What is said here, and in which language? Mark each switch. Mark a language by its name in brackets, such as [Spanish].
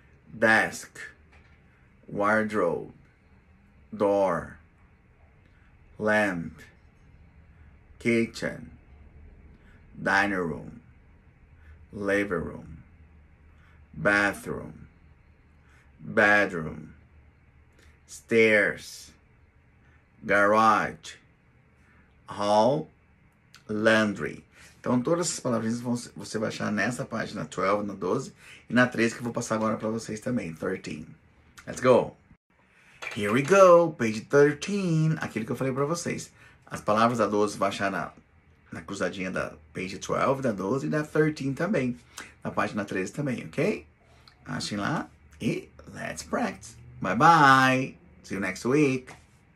[English] desk, wardrobe, door, lamp, kitchen, dining room, living room, bathroom, bedroom, stairs, garage, hall, laundry. [Portuguese] Então todas essas palavrinhas você vai achar nessa página 12, na 12 e na 13 que eu vou passar agora para vocês também, 13. [English] Let's go! Here we go, page 13, [Portuguese] aquilo que eu falei pra vocês. As palavras da 12 vai achar na cruzadinha da page 12, da 12 e da 13 também. Na página 13 também, ok? Achem lá e [English] let's practice. Bye-bye, see you next week.